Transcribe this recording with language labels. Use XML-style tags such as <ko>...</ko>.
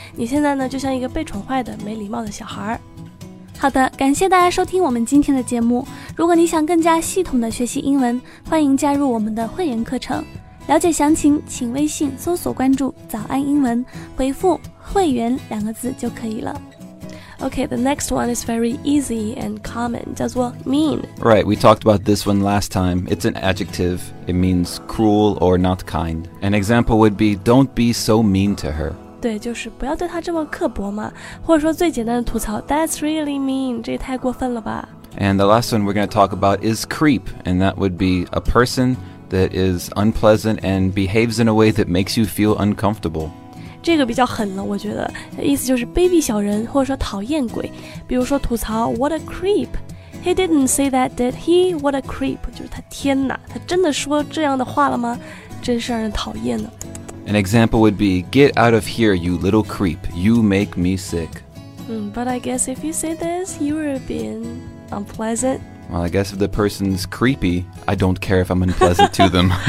<zh>你现在呢，就像一个被宠坏的没礼貌的小孩。好的，感谢大家收听我们今天的节目。如果你想更加系统的学习英文，欢迎加入我们的会员课程。了解详情，请微信搜索关注早安英文，回复会员两个字就可以了。</zh> <en>Okay, the next one is very easy and common,</en> <zh>叫做</zh> <en>mean. Right, we talked about this one last time. It's an adjective. It means cruel or not kind. An example would be, don't be so mean to her.</en> <zh>对，就是不要对她这么刻薄嘛。或者说最简单的吐槽，</zh> <en>that's really mean,</en> <zh>这也太过分了吧。</zh> <en>And the last one we're going to talk about is creep, and that would be a person that is unpleasant and behaves in a way that makes you feel uncomfortable.</en> <zh>这个比较狠了，我觉得意思就是卑鄙小人，或者说讨厌鬼。比如说吐槽</zh> <en>What a creep! He didn't say that, did he? What a creep!</en> <zh>就是他天哪，他真的说这样的话了吗？真是让人讨厌呢。</zh> <en>An example would be, Get out of here, you little creep! You make me sick. But I guess if you say this, you are being unpleasant. Well, I guess if the person's creepy, I don't care if I'm unpleasant to them.</en>